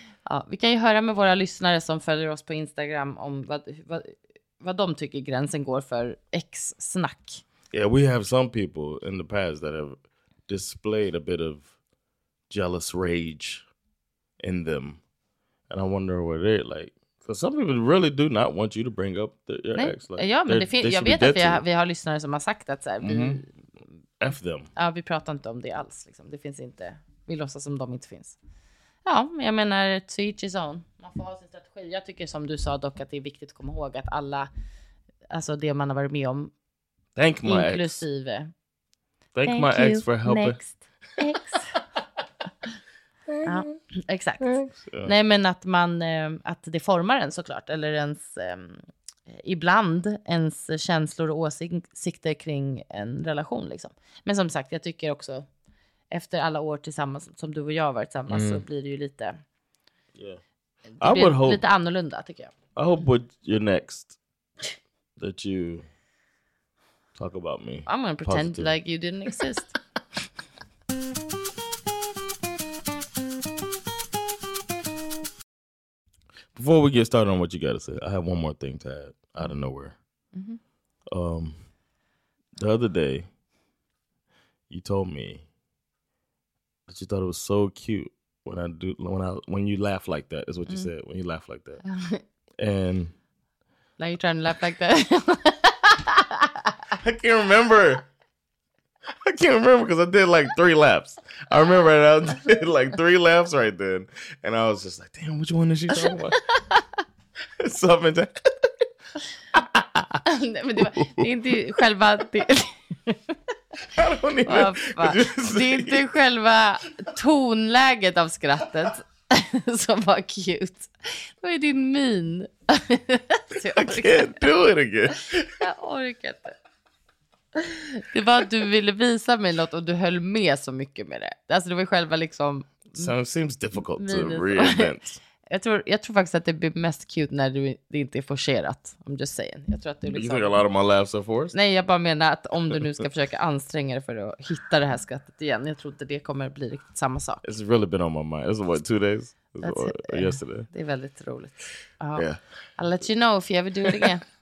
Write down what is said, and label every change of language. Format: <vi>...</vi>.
<sv>Ja, vi kan ju höra med våra lyssnare som följer oss på Instagram om vad de tycker gränsen går för ex-snack.</sv> <en>Yeah, we have some people in the past that have displayed a bit of jealous rage in them. And I wonder what they're like. Because some people really do not want you to bring up your ex. Like,</en> <sv>ja, men det finns, jag vet att vi har lyssnare som har sagt att så här,</sv> <en>F them.</en> <sv>Ja, vi pratar inte om det alls. Liksom. Det finns inte. Vi låtsas som de inte finns. Ja, jag menar,</sv> <en>to each his own.</en> <sv>Man får ha sin strategi. Jag tycker som du sa dock att det är viktigt att komma ihåg att alla, alltså det man har varit med om,</sv> <en>thank my</en> <sv>inklusive.</sv> <en>Ex. Thank my you. Ex for helping.</en> <sv>Next. Ex. Ja, exakt. Yeah. Nej, men att man att det formar en såklart, eller ens ibland ens känslor och åsikter kring en relation liksom. Men som sagt, jag tycker också efter alla år tillsammans som du och jag har varit tillsammans så blir det ju lite</sv> <en>yeah.</en> <sv>Det</sv> <en>I hope,</en> <sv>lite annorlunda tycker jag.</sv> <en>I hope with your next that you talk about me. I'm gonna pretend positive. Like you didn't exist. Before we get started on what you gotta say, I have one more thing to add out of nowhere. Mm-hmm. The other day, you told me that you thought it was so cute when you laugh like that. Is what you said when you laugh like that. And now you're trying to laugh like that. I can't remember. I can't remember because I did like three laughs. I remember I did like three laughs right then. And I was just like, damn, which one is she talking about? Something to...</en> <sv>Nej, men det är inte själva... Det...</sv> <en>I don't even...</en> <sv>Det är inte själva tonläget av skrattet som var cute. Vad är din min?</sv> <en>I can't do it again.</en> <sv>Jag orkar inte. Det var att du ville visa mig något och du höll med så mycket med det. Alltså det var själva liksom...</sv> <en>So it seems difficult to reinvent.</en> <sv>Jag tror faktiskt att det blir mest cute när det inte är forcerat.</sv> <en>I'm just saying.</en> <sv>Jag tror att det är liksom...</sv> <en>You think a lot of my laughs are forced?</en> <sv>Nej, jag bara menar att om du nu ska försöka anstränga dig för att hitta det här skrattet igen. Jag tror inte det kommer bli riktigt samma sak.</sv> <en>It's really been on my mind. It's what, 2 days? Or yesterday?</en> <sv>Det är väldigt roligt.</sv> <en>Yeah. I'll let you know if you ever do it again.</en>